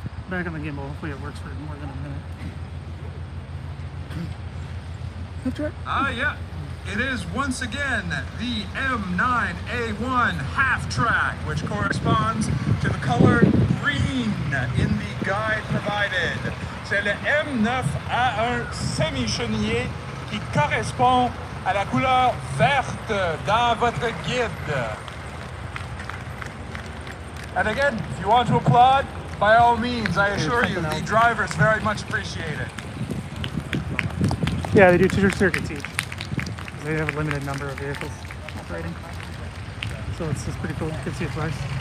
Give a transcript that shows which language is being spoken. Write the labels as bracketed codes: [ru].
[en] Back on the gimbal, hopefully it works for more than a minute. Yeah. It is once again the M9A1 half track, which corresponds to the color green in the guide provided. [fr] C'est le M9A1 semi-chenillé qui correspond à la couleur verte dans votre guide. [en] And again, if you want to applaud, by all means, I assure you, the drivers very much appreciate it. Yeah, they do two circuits each. They have a limited number of vehicles operating. So it's just pretty cool. You can see it twice.